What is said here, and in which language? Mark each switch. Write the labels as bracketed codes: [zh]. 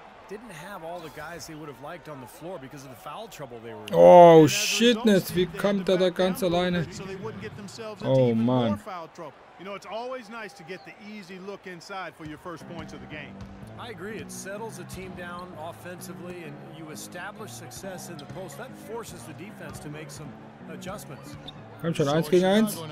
[en] Didn't have all the guys they would have liked on the floor because of the foul trouble they were in. Oh shitness, [de] wie kommt er da ganz alleine? [en] Oh man. You know, it's always nice to get the easy look inside for your first points of the game. I agree, it settles the team down offensively and you establish success in the post. That forces the defense to make some adjustments. [de] Komm schon, 1 gegen 1.